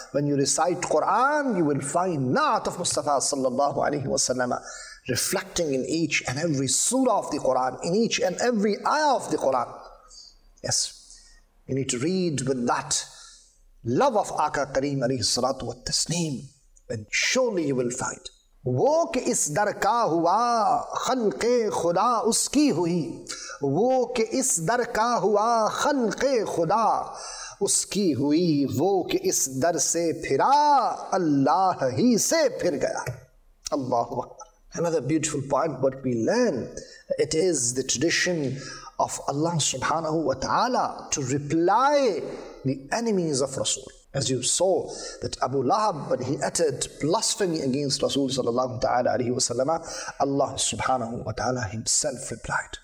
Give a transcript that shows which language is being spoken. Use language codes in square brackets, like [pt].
[en] When you recite Quran, you will find na'at of Mustafa [ar] sallallahu alayhi wa sallam [en] reflecting in each and every surah of the Quran, in each and every ayah of the Quran. Yes, we need to read with that love of Aqa Kareem [ar] alayhi salatu wa taslim, [en] and surely you will find. [ur] وہ کہ اس در کا ہوا خلق خدا اس کی ہوئی وہ کہ اس در کا ہوا خلق خدا اس کی ہوئی وہ کہ اس در سے پھرا اللہ ہی سے پھر گیا. [ar] اللہ اکبر. [en] Another beautiful part what we learn, it is the tradition of Allah [ar] subhanahu wa ta'ala [en] to reply the enemies of Rasul. As you saw that Abu Lahab, when he uttered blasphemy against Rasul [ar] sallallahu alayhi wa sallam, [en] Allah [ar] subhanahu wa ta'ala [en] himself replied.